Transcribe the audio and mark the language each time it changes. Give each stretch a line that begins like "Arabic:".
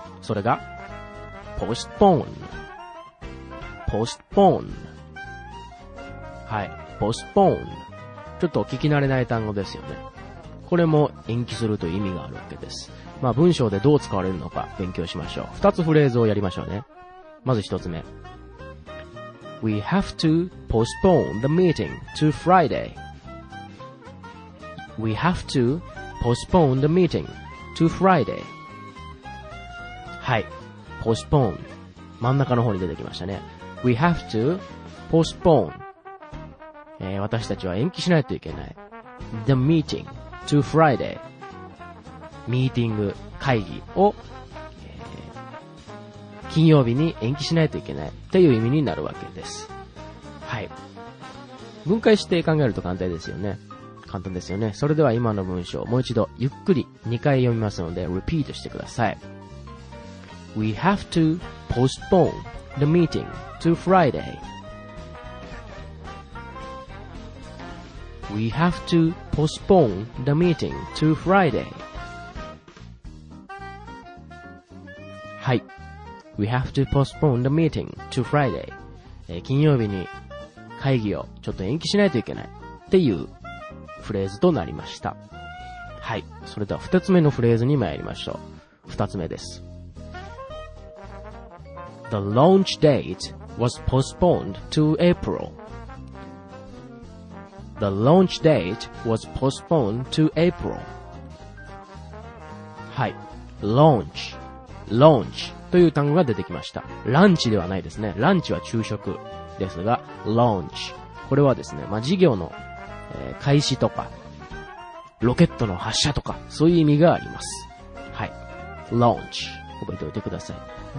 Japanese: それが postpone、 postpone、 はい、 postpone、 ちょっと聞き慣れない単語ですよね。これも延期するという意味があるわけです。まあ文章でどう使われるのか勉強しましょう。二つフレーズをやりましょうね。まず一つ目。
English: We have to postpone the meeting to Friday. We have to postpone the meeting to Friday.
Japanese: はい。postpone。真ん中の方に出てきましたね。
English: We have to postpone。
Japanese: 私たちは延期しないといけない。
English: The meeting. To Friday、
Japanese: ミーティング、会議を、金曜日に延期しないといけないっていう意味になるわけです。はい、分解して考えると簡単ですよね。簡単ですよね。それでは今の文章をもう一度ゆっくり2回読みますので、 repeat してください。
English: We have to postpone the meeting to FridayWe have to postpone the meeting to Friday.
Japanese: はい。
English: We have to postpone the meeting to Friday.、
Japanese: 金曜日に会議をちょっと延期しないといけないっていうフレーズとなりました。はい。それでは二つ目のフレーズに参りましょう。二つ目です。
English: The launch date was postponed to April. The launch date was postponed to April. はい。launch, launch,
Japanese: という単語が出てきました。ランチではないですね。ランチは昼食ですが、ローンチ、これはですね、まあ、事業の、開始とかロケットの発射とかそういう意味があります。はい、ローンチ覚えておいてください。